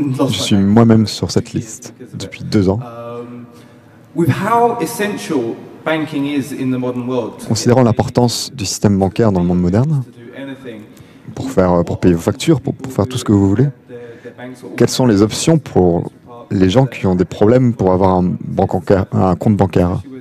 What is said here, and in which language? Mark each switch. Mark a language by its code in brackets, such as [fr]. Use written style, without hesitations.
[fr] Je suis moi-même sur cette liste depuis 2 ans. [en] With how essential banking is in the modern world. [fr] Considérant l'importance du système bancaire dans le monde moderne, pour payer vos factures, pour faire tout ce que vous voulez, quelles sont les options pour les gens qui ont des problèmes pour avoir un compte bancaire?